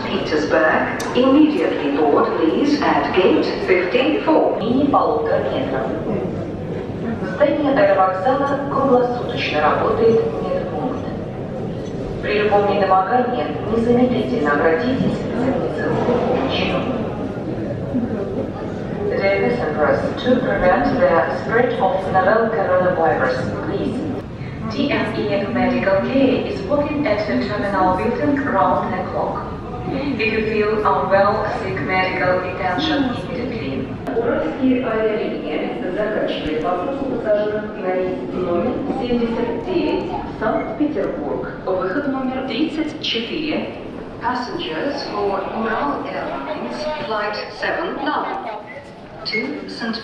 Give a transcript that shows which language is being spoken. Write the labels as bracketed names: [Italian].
[English] Petersburg, immediately board please at gate 54. [Russian] Мини-поломка метро. Здание аэровокзала круглосуточно работает медпункт. При любом недомогании незамедлительно обратитесь к медицинскую помощь. [English] To prevent the spread of novel coronavirus, please. DME Medical Care is working at the terminal building around the clock. If you feel unwell, seek medical attention immediately. [Russian] Уральские авиалинии заканчивают посадку пассажиров на рейс номер 79 в Санкт-Петербург. Выход номер 34. [English] Passengers for Ural Airlines, flight 79. To St.